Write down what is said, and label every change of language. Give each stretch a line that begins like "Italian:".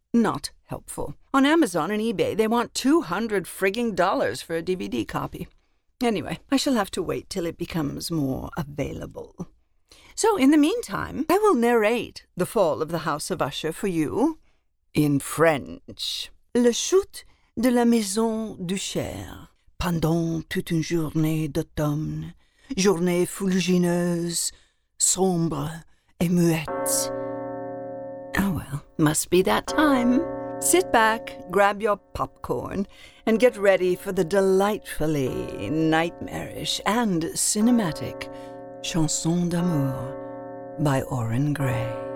English: Not helpful. On Amazon and eBay, they want $200 frigging for a DVD copy. Anyway, I shall have to wait till it becomes more available. So, in the meantime, I will narrate The Fall of the House of Usher for you in French.
French: La chute de la maison d'Usher. Pendant toute une journée d'automne, journée fulgineuse, sombre et muette.
English: Oh well, must be that time. Sit back, grab your popcorn, and get ready for the delightfully nightmarish and cinematic Chanson d'Amour by Oren Gray.